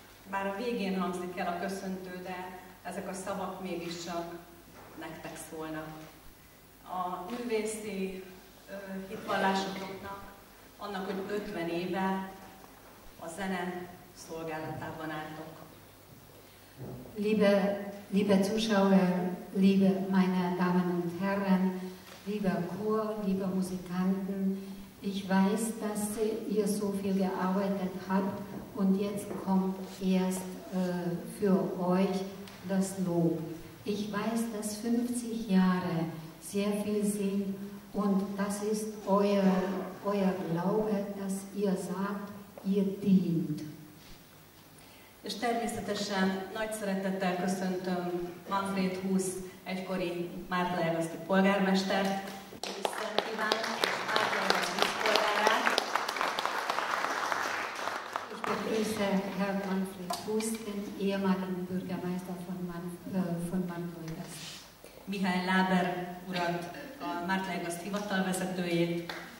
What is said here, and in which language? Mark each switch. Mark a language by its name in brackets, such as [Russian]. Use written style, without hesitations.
[Hungarian] Bár a végén hangzik el a köszöntő, de ezek a szavak mégiscsak nektek szólnak. A művészi hitvallásoknak, annak, hogy 50 éve a zene szolgálatában álltok. [German] Liebe Zuschauer, liebe meine Damen und Herren, lieber Chor, liebe Musikanten, ich weiß, dass ihr so viel gearbeitet habt und jetzt kommt erst für euch das Lob. Ich weiß, dass 50 Jahre sehr viel sind und das ist euer Glaube, dass ihr sagt, ihr dient. [Hungarian] És természetesen nagy szeretettel köszöntöm Manfred Husz, egykori Mártaelveszti polgármestert, Filiszent Iván és Mártaelveszti polgárát. [German] Ich begrüße Herr Manfred Husz, den ehemaligen Bürgermeister von Mártaelveszt. [Hungarian] Mihály Láber urat, a Mártaelveszt hivatalvezetőjét.